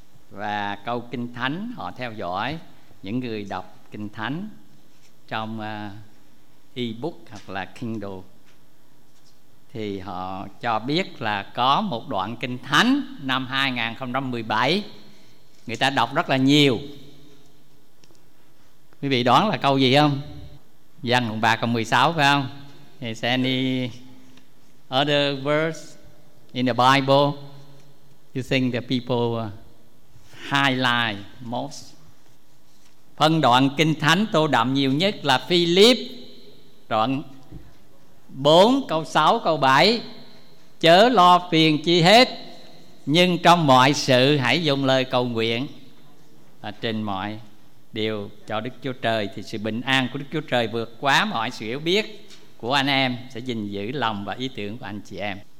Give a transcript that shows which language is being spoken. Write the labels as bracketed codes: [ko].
[vi] Và câu Kinh Thánh họ theo dõi, những người đọc Kinh Thánh trong e-book hoặc là Kindle thì họ cho biết là có một đoạn Kinh Thánh năm 2017 người ta đọc rất là nhiều. Quý vị đoán là câu gì không? Văn đoạn 3 câu 16 phải không? [en] Is any other verse in the Bible you think the people highlight most? [vi] Phân đoạn Kinh Thánh tô đậm nhiều nhất là Philip đoạn 4 câu 6 câu 7: chớ lo phiền chi hết, nhưng trong mọi sự hãy dùng lời cầu nguyện và trình mọi điều cho Đức Chúa Trời, thì sự bình an của Đức Chúa Trời vượt quá mọi sự hiểu biết của anh em sẽ gìn giữ lòng và ý tưởng của anh chị em.